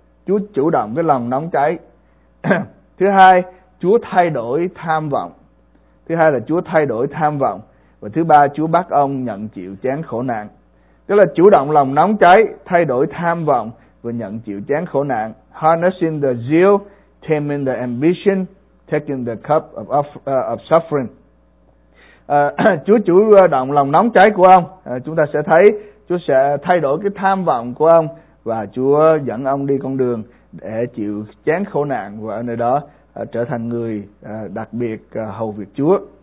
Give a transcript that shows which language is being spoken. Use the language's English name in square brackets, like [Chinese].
[Vietnamese] Chúa chủ động cái lòng nóng cháy. Thứ hai, Chúa thay đổi tham vọng. Thứ hai là Chúa thay đổi tham vọng. Và thứ ba, Chúa bắt ông nhận chịu chén khổ nạn. Tức là chủ động lòng nóng cháy, thay đổi tham vọng và nhận chịu chén khổ nạn. [English] Harnessing the zeal, taming the ambition, taking the cup of suffering. [Vietnamese] Chúa chủ động lòng nóng cháy của ông. Chúng ta sẽ thấy Chúa sẽ thay đổi cái tham vọng của ông và Chúa dẫn ông đi con đường để chịu chén khổ nạn và ở nơi đó trở thành người đặc biệt hầu việc Chúa.